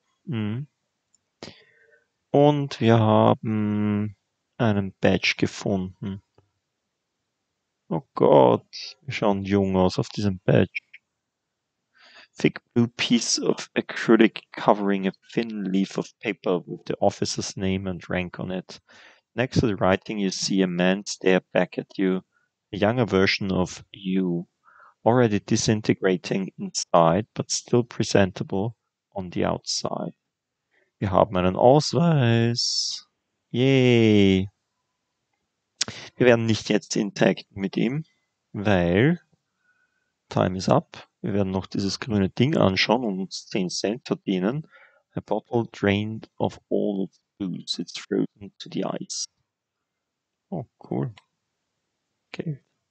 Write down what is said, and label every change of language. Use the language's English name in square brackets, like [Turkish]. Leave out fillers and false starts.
[German] Und wir haben einen Badge gefunden. Oh Gott, wir schauen jung aus auf diesem Badge. [English] Thick blue piece of acrylic covering a thin leaf of paper with the officer's name and rank on it. Next to the writing, you see a man stare back at you, a younger version of you, already disintegrating inside, but still presentable on the outside. [German] Wir haben einen Ausweis. Yay! Wir werden nicht jetzt interagieren mit ihm, weil [English] time is up. [German] Wir werden noch dieses grüne Ding anschauen und uns 10 Cent verdienen. [English] A bottle drained of all of it's frozen to the ice. Oh, cool. Okay.